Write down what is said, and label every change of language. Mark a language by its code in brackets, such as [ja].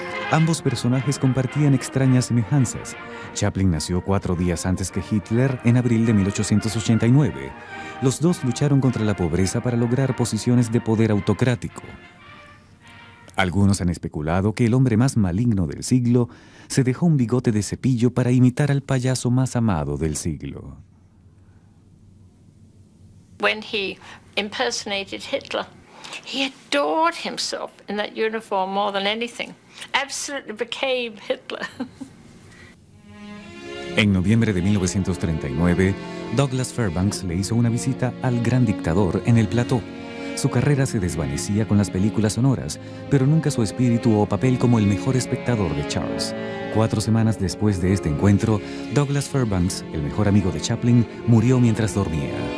[es] Ambos personajes compartían extrañas semejanzas. Chaplin nació 4 días antes que Hitler, en abril de 1889. Los dos lucharon contra la pobreza para lograr posiciones de poder autocrático. Algunos han especulado que el hombre más maligno del siglo se dejó un bigote de cepillo para imitar al payaso más amado del siglo. [en] When he impersonated Hitler, he adored himself in that uniform more than anything. Absolutely became Hitler. [es] En noviembre de 1939, Douglas Fairbanks le hizo una visita al gran dictador en el plató. Su carrera se desvanecía con las películas sonoras, pero nunca su espíritu o papel como el mejor espectador de Charles. 4 semanas después de este encuentro, Douglas Fairbanks, el mejor amigo de Chaplin, murió mientras dormía.